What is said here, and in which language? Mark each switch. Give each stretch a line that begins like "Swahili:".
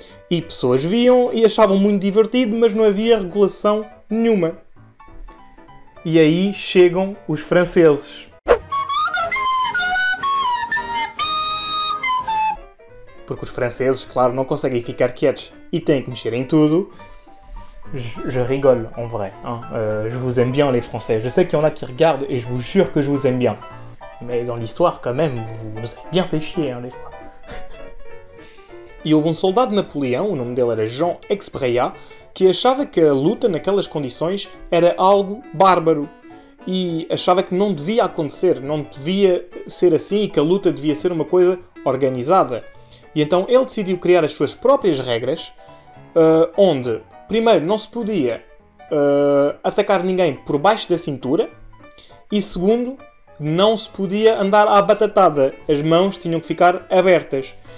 Portuguese: E pessoas viam e achavam muito divertido, mas não havia regulação nenhuma. E aí chegam os franceses. Porque os franceses, claro, não conseguem ficar quietos e têm que mexer em tudo.
French: Je rigole, en vrai. Je vous aime bien, les Français. Je sais qu'il y en a qui regardent et je vous jure que je vous aime bien. Mais dans l'histoire, quand même, vous nous avez bien fait chier, hein, les fois.
Portuguese: E houve um soldado de Napoleão, o nome dele era Jean Exprea, que achava que a luta naquelas condições era algo bárbaro. E achava que não devia acontecer, não devia ser assim e que a luta devia ser uma coisa organizada. E então ele decidiu criar as suas próprias regras, onde, primeiro, não se podia atacar ninguém por baixo da cintura, e segundo, não se podia andar à batatada, as mãos tinham que ficar abertas.